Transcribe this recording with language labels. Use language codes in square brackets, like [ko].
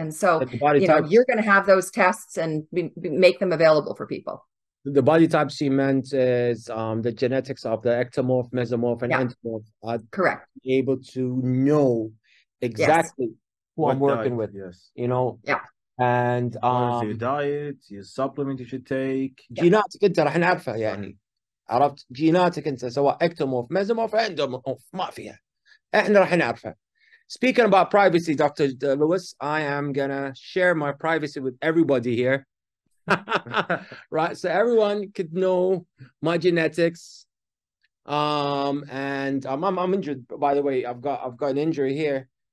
[en] And so you're going to have those tests and make them available for people. The body type she meant is the genetics of the ectomorph, mesomorph, and endomorph. Correct. Able to know exactly who I'm working with. Yes. And your diet, your supplement you should take. [ar] Genetic انت راح نعرفها يعني. عرفت؟ جيناتك انت سواء ectomorph, mesomorph, endomorph ما فيها. احنا راح نعرفها. [en] Speaking about privacy, Dr. Lois, I am going to share my privacy with everybody here. Right, so everyone could know my genetics, and I'm injured. By the way, I've got an injury here.